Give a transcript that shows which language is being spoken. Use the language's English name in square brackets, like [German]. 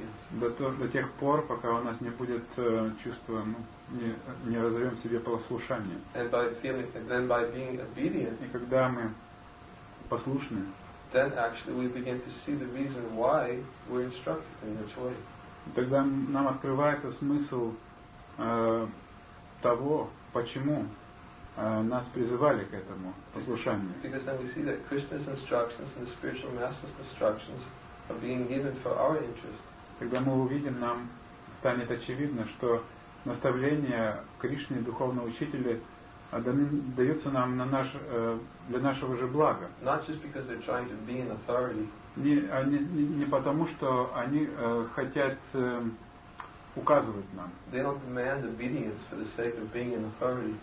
[Russian] До тех пор, пока у нас не будет чувства, ну, не разовьем себе послушание. И когда мы послушны, [English] then actually we begin to see the reason why we're instructed in which way. [Russian] Тогда нам открывается смысл того, почему нас призывали к этому послушанию. [English] Because then we see that Krishna's instructions and the spiritual master's instructions are being given for our interest. [Russian] Когда мы увидим, нам станет очевидно, что наставления Кришны, духовного учителя, даются нам на наш, для нашего же блага. [English] Not just because they're trying to be an authority. [Russian] Не потому, что они хотят указывать нам. [English] They don't demand obedience for the sake of being in authority.